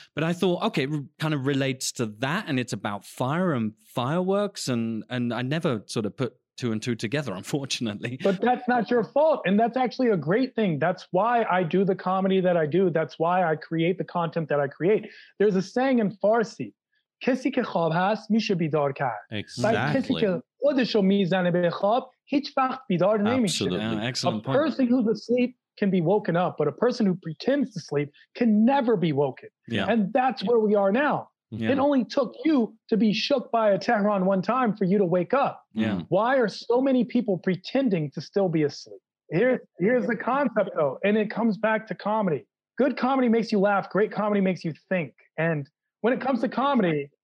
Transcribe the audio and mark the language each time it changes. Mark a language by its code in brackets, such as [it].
[en] But I thought, okay, it kind of relates to that. And it's about fire and fireworks. And I never sort of put two and two together, unfortunately. But that's not your fault. And that's actually a great thing. That's why I do the comedy that I do. That's why I create the content that I create. There's a saying in Farsi, [fa] کسی که خواب هست میشه بیدار کرد. [en] Exactly. [fa] و کسی که خودشو میزنه به خواب هیچ وقت بیدار نمیشه. [en] Absolutely. Yeah, excellent point. A person who's asleep can be woken up, but a person who pretends to sleep can never be woken. Yeah. And that's where we are now. Yeah. It only took you to be shook by a Tehran one time for you to wake up. Yeah. Why are so many people pretending to still be asleep? Here's the concept, though, and it comes back to comedy. Good comedy makes you laugh. Great comedy makes you think. And when it comes to comedy,